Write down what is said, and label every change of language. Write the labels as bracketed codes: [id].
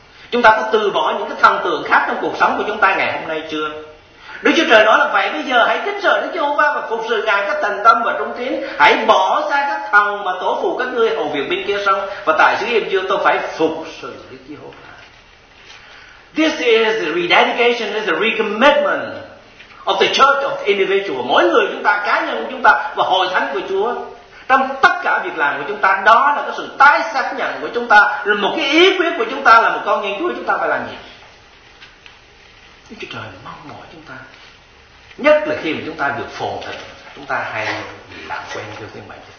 [vi] Chúng ta có từ bỏ những cái thần tượng khác trong cuộc sống của chúng ta ngày hôm nay chưa? Đức Chúa Trời nói là vậy, bây giờ hãy kính sợ Đức Chúa Ba và phục sự Ngài các thành tâm và trung tín. Hãy bỏ xa các thần mà tổ phụ các ngươi hầu việc bên kia sông, và tại xứ Ai Cập tôi phải phục sự Đức Chúa Ba. [en] This is the rededication, this is the recommitment of the church of individual. [vi] Mỗi người chúng ta, cá nhân của chúng ta và hội thánh của Chúa, trong tất cả việc làm của chúng ta, đó là cái sự tái xác nhận của chúng ta, là một cái ý quyết của chúng ta là một con nhân Chúa, chúng ta phải làm gì? Đức Chúa Trời mong mỏi chúng ta, nhất là khi mà chúng ta được phồn thịnh, chúng ta hay làm quen với thiên mệnh.